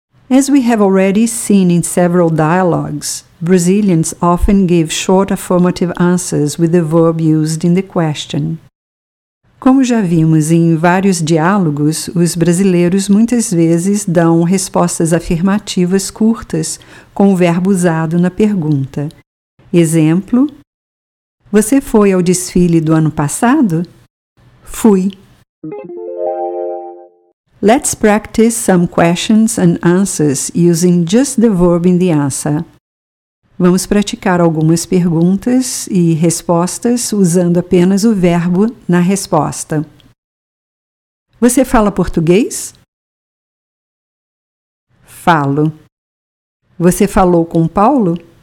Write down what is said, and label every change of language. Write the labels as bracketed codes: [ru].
[en] As we have already seen in several dialogues, Brazilians often give short affirmative answers with the verb used in the question. [pt] Como já vimos em vários diálogos, os brasileiros muitas vezes dão respostas afirmativas curtas com o verbo usado na pergunta. Exemplo: Você foi ao desfile do ano passado? Fui. [en] Let's practice some questions and answers using just the verb in the answer. [pt] Vamos praticar algumas perguntas e respostas usando apenas o verbo na resposta. Você fala português? Falo. Você falou com Paulo?